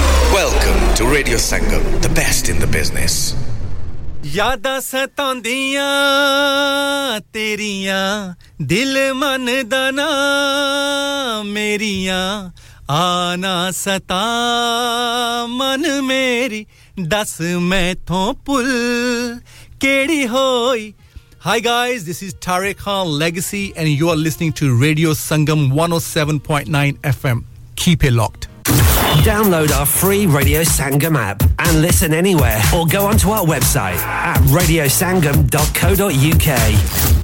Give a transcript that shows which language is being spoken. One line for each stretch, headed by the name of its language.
English: Welcome to Radio Sangam, the best in the business.
Punjabi: ਯਾਦਾਂ ਸਤਾਉਂਦੀਆਂ ਤੇਰੀਆਂ ਦਿਲ ਮਨ ਦਾ ਨਾ ਮੇਰੀਆਂ ਆਨਾ ਸਤਾ ਮਨ ਮੇਰੀ ਦੱਸ ਮੈਥੋਂ ਪੁੱਲ ਕਿਹੜੀ ਹੋਈ.
English: Hi guys, this is Tariq Khan Legacy and you are listening to Radio Sangam 107.9 FM. Keep it locked. Download our free Radio Sangam app and listen anywhere or go onto our website at radiosangam.co.uk.